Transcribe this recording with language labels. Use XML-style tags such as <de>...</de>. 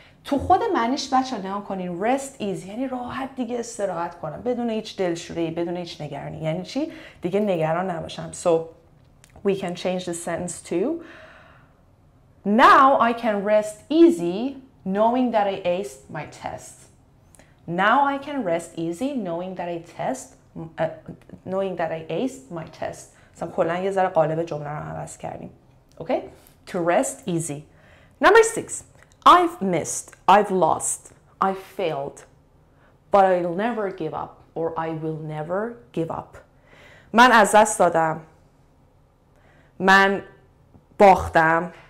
<fa>تو خود معنیش بچه نگاه کنین.</fa> <en>rest easy</en> <fa>یعنی راحت دیگه استراحت کنم بدون هیچ دلشوری، بدون هیچ نگرانی. یعنی چی؟ دیگه نگران نباشم.</fa> <en>So we can change the sentence to now I can rest easy knowing that I aced my test. Now I can rest easy knowing that I test knowing that I aced my test.</en> <fa>سم کلن یه ذره قالب جمله رو عوض کردیم.</fa> <en>Okay, to rest easy. Number 6. I've missed, I've lost, I've failed, but I'll never give up, or I will never give up.</en> <fa>من از دست دادم. من باختم.</fa>